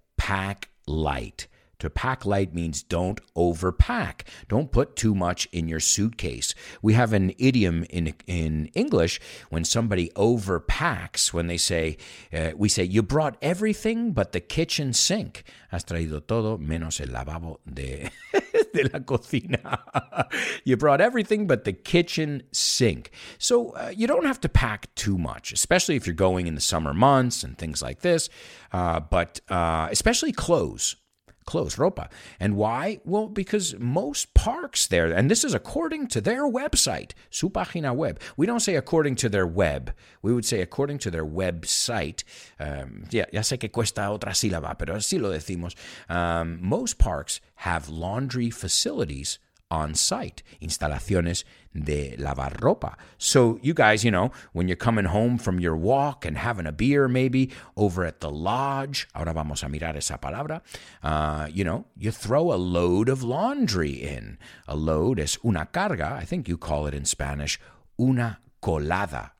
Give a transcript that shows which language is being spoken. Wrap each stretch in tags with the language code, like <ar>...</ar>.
<en>Pack light. To pack light means don't overpack. Don't put too much in your suitcase. We have an idiom in English when somebody overpacks, when they say, we say, you brought everything but the kitchen sink.</en> <es>Has traído todo menos el lavabo de la cocina.</es> <en>You brought everything but the kitchen sink. So you don't have to pack too much, especially if you're going in the summer months and things like this. Especially clothes. Clothes, ropa. And why? Well, because most parks there, and this is according to their website,</en> <es>su página web.</es> <en>We don't say according to their web. We would say according to their website.</en> <es>Ya sé que cuesta otra sílaba, pero así lo decimos.</es> <en>Most parks have laundry facilities on site,</en> <es>instalaciones de lavar ropa.</es> <en>So you guys, you know, when you're coming home from your walk and having a beer maybe over at the lodge,</en> <es>ahora vamos a mirar esa palabra,</es> <en>you know, you throw a load of laundry in. A load is</en> <es>una carga,</es> <en>I think you call it in Spanish,</en> <es>una colada.</es>